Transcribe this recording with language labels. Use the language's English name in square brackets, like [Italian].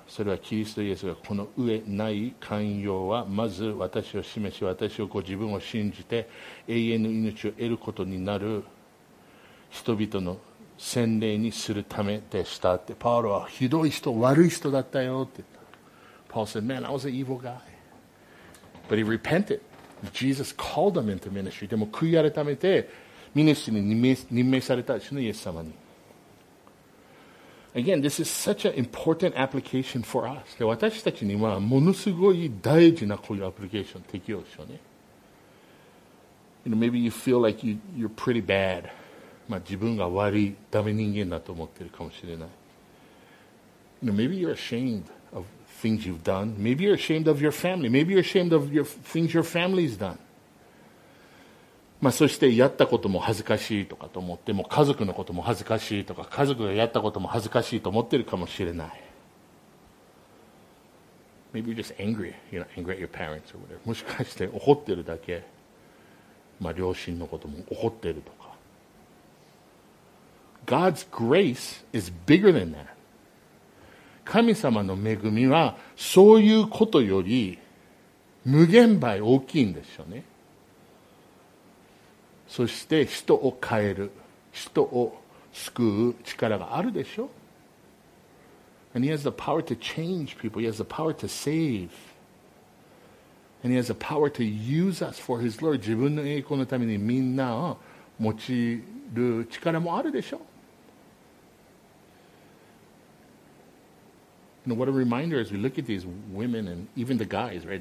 [Japanese] それはキリストイエスがこの上ない寛容はまず私を示し、私をご自分を信じて永遠の命を得ることになる人々の洗礼にするためでした。ってパウロはひどい人、悪い人だったよって。 [English] Paul said, man, I was an evil guy. But he repented. Jesus called him into ministry. [Japanese] でも悔い改めてミネスに任命されたですね、イエス様に。 [English] Again, this is such an important application for us. [Japanese] で私たちにはものすごい大事なこういうアプリケーション適用でしょうね。 [English] You know, maybe you feel like you're pretty bad. [Japanese] まあ自分が悪い、ダメ人間だと思ってるかもしれない。 [English] You know, maybe you're ashamed of things you've done. Maybe you're ashamed of your family. Maybe you're ashamed of your things your family's done. [Japanese] まあ、そしてやったことも恥ずかしいとかと思って、もう家族のことも恥ずかしいとか、家族がやったことも恥ずかしいと思ってるかもしれない。 [English] Maybe you're just angry, you know, angry at your parents or whatever. [Japanese] もしかして怒ってるだけ、まあ、両親のことも怒ってるとか。 [English] God's grace is bigger than that. [Japanese] 神様の恵みはそういうことより無限倍大きいんですよね。そして人を変える、人を救う力があるでしょ。 [English] And he has the power to change people. He has the power to save. And he has the power to use us for his glory. [Japanese] 自分の栄光のためにみんなを用いる力もあるでしょ。 [English] You know, what a reminder as we look at these women and even the guys, right?